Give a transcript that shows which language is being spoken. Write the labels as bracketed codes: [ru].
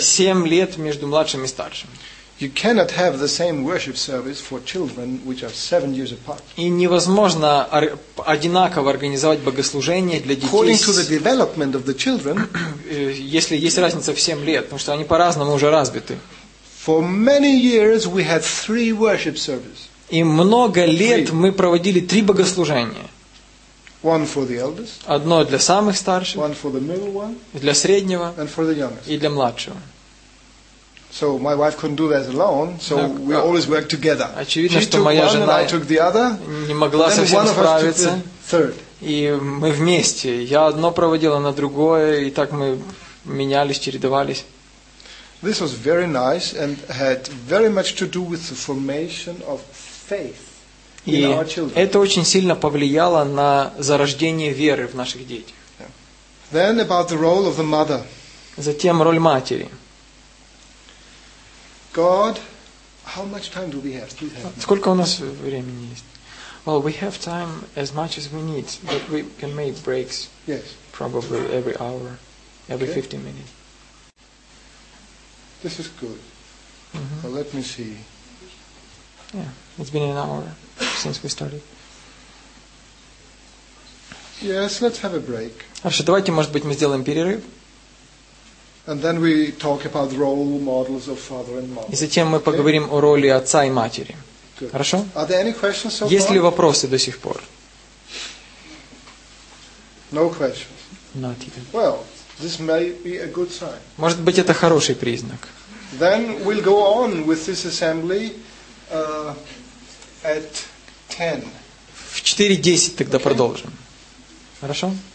[ru] 7 лет между младшим и старшим. [en] You cannot have the same worship service for children which are 7 years apart. [ru] И невозможно одинаково организовать богослужение для детей. [en] According to the development of the children, [ru] если есть разница в 7 лет, потому что они по-разному уже развиты. [en] For many years we had 3 worship services. [ru] И много лет мы проводили 3 богослужения. [en] One for the eldest. [ru] Одно для самых старших. [en] One for the middle one. [ru] Для среднего. [en] And for the youngest. [ru] И для младшего. [en] So my wife couldn't do that alone, so we always worked together. [ru] Очевидно, что моя жена не могла совсем справиться. И мы вместе. Я одно проводила, она другое, и так мы менялись, чередовались. [en] This was very nice and had very much to do with the formation of faith in our children. [ru] И это очень сильно повлияло на зарождение веры в наших детях. [en] Then about the role of the mother. [ru] Затем роль матери. [en] God, how much time do we have? [ru] Сколько у нас времени есть? [en] Well, we have time as much as we need, but we can make breaks. Yes. Probably every hour, every 15 minutes. This is good. Mm-hmm. Well, let me see. Yeah, it's been an hour since we started. Yes, let's have a break. [ru] Хорошо, давайте, может быть, мы сделаем перерыв. [en] And then we talk about role models of father and mother. [ru] И затем мы поговорим о роли отца и матери. [en] Good. [ru] Хорошо? [en] Are there any questions so far? [ru] Есть ли вопросы до сих пор? [en] No questions. Not even. Well, this may be a good sign. [ru] Может быть, это хороший признак. [en] Then we'll go on with this assembly at 10. [ru] В 4:10 тогда продолжим. Хорошо?